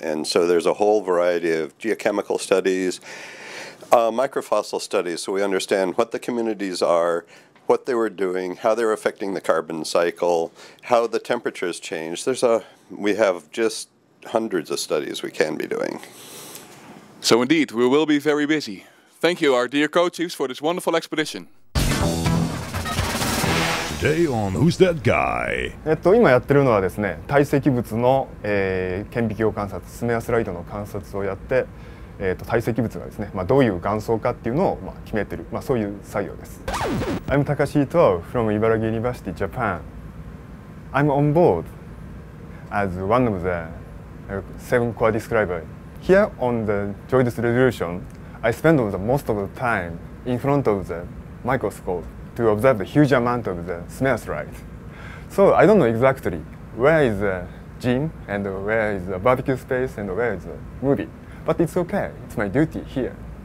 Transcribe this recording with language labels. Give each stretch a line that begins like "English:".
English: And so there's a whole variety of geochemical studies, microfossil studies, so we understand what the communities are, what they were doing, how they're affecting the carbon cycle, how the temperatures change. We have just hundreds of studies we can be doing. So indeed, we will be very busy. Thank you, our dear co-chiefs, for this wonderful expedition. Today on Who's That Guy?
Japanese: 今やってるのはですね、堆積物の、顕微鏡観察、スネアスライドの観察をやって、堆積物がですね、まあ、どういう岩層かっていうのを、まあ、決めてる、まあ、そういう作業です。
English: I'm Takashi Ito from Ibaraki University, Japan. I'm on board as one of the seven core describers. Here on the JOIDES Resolution, I spend the most of the time in front of the microscope. To observe the huge amount of the smearsite. So I don't know exactly where is the gym and where is the barbecue space and where is the movie, but it's okay, it's my duty here.